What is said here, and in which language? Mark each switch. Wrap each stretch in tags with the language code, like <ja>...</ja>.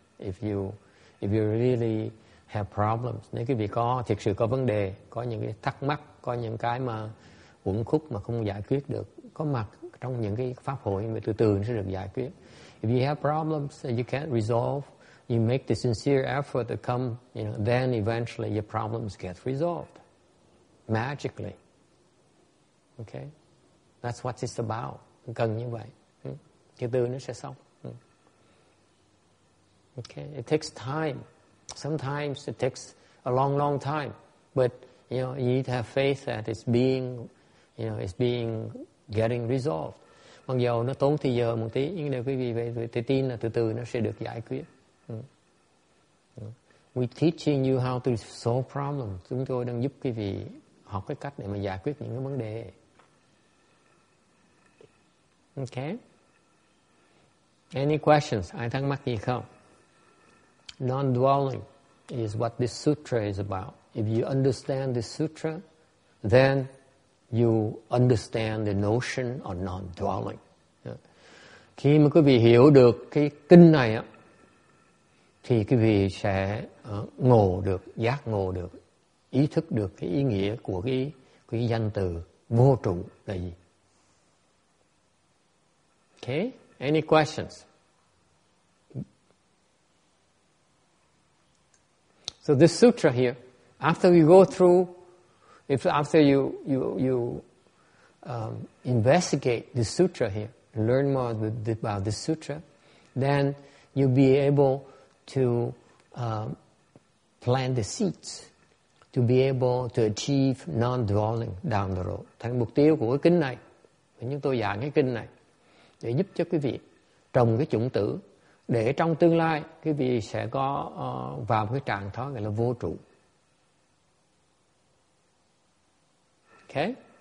<en>If you really have problems,</en> <vi>nếu quý vị có thực sự có vấn đề, có những cái thắc mắc, có những cái mà uẩn khúc mà không giải quyết được, có mặt trong những cái pháp hội mà từ từ nó sẽ được giải quyết.</vi> <en>If you have problems that you can't resolve, you make the sincere effort to come, you know, then eventually your problems get resolved magically. Okay, that's what it's about.</en> <vi>Cần như vậy, từ từ nó sẽ xong.</vi> <en>Okay, it takes time. Sometimes it takes a long, long time. But you know, you need to have faith that it's being, you know, it's being getting resolved.</en> <vi>Mặc dù nó tốn thời giờ một tí, nhưng nếu quý vị về tự tin là từ từ nó sẽ được giải quyết.</vi> <en>We're teaching you how to solve problems.</en> <vi>Chúng tôi đang giúp quý vị học cái cách để mà giải quyết những cái vấn đề.</vi> <en>Okay. Any questions?</en> <vi>Ai thắc mắc gì không?</vi> <en>Non-dwelling is what this sutra is about. If you understand this sutra, then you understand the notion of non-dwelling.</en> <vi>Khi mà quý vị hiểu được cái kinh này á, thì quý vị sẽ ngộ được, giác ngộ được, ý thức được cái ý nghĩa của cái danh từ vô trụ là gì.</vi> <en>Okay, any questions? So this sutra here, after we go through, if after you investigate this sutra here, learn more about this sutra, then you'll be able to plant the seeds to be able to achieve non-dwelling down the road.</en> <vi>Thành mục tiêu của cái kinh này, chúng tôi giảng cái kinh này để giúp cho quý vị trồng cái chủng tử để trong tương lai quý vị sẽ có vào cái trạng thái gọi là vô trụ.</vi> <en>Okay?</en>